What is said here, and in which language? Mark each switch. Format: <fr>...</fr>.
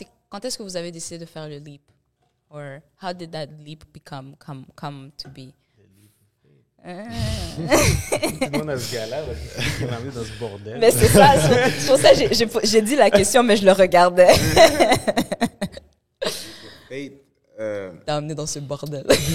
<fr>Quand est-ce que vous avez décidé de faire le leap?</fr> <en>Or how did that leap come to be?</en> <fr>Tout le monde a ce gars-là, il m'a mis dans ce bordel. Mais c'est ça, c'est pour ça que j'ai dit la question, mais je le regardais. T'as amené dans ce bordel.</fr>